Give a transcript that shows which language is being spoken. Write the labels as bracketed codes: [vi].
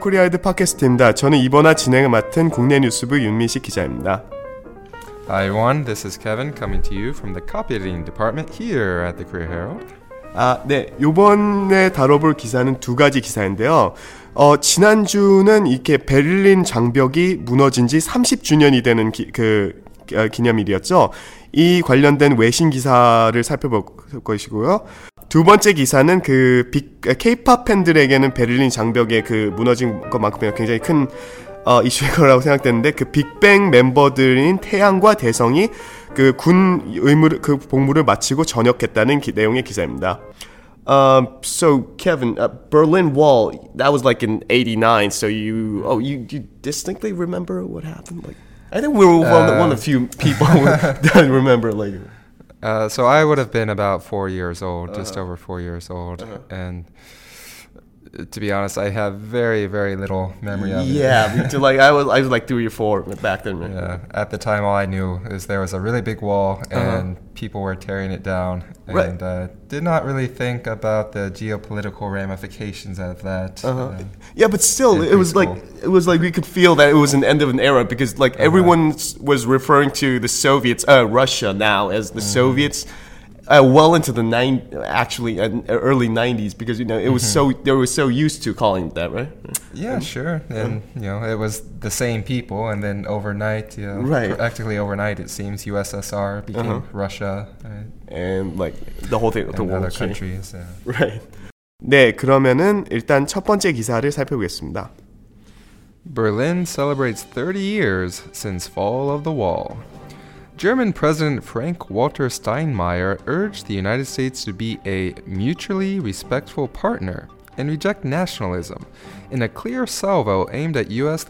[ko] 코리아헤드 팟캐스트입니다. 저는 이번화 진행을 맡은 국내 뉴스부 윤민식 기자입니다. [en] Hi everyone, this is Kevin coming to you from the copy editing department here at the Korea Herald. [ko] 아, 네. 이번에 다뤄볼 기사는 두 가지 기사인데요. 지난주는 이렇게 베를린 장벽이 무너진 지 30주년이 되는 기념일이었죠. 이 관련된 외신 기사를 살펴볼 것이고요. 두 번째 기사는 그 K-POP 팬들에게는 베를린 장벽의 그 무너진 것만큼이나 굉장히 큰 이슈일 거라고 생각되는데 그 빅뱅 멤버들인 태양과 대성이 그 군 의무를 그 복무를 마치고 전역했다는 내용의 기사입니다. [en] So Kevin, Berlin Wall, that was like in 89. So you distinctly remember what happened? Like, I think we were one of few people that remember later. So I would have been about 4 years old, just over 4 years old, and to be honest, I have very, very little memory of it. Yeah, I was like 3 or 4 back then. Yeah, at the time, all I knew is there was a really big wall, and people were tearing it down, and did not really think about the geopolitical ramifications of that. Yeah, but still, it was like we could feel that it was an end of an era, because like everyone was referring to the Soviets, Russia now, as the Soviets. Well into the early 90s, because you know it was they were so used to calling it that, right? Yeah, sure. And you know, it was the same people, and then overnight, practically overnight, it seems USSR became Russia, and like the whole thing, the other countries, right? [ko] 네, 그러면은 일단 첫 번째 기사를 살펴보겠습니다. [en] Berlin celebrates 30 years since fall of the wall. German President Frank-Walter Steinmeier urged the United States to be a mutually respectful partner and reject nationalism in a clear salvo aimed at U.S.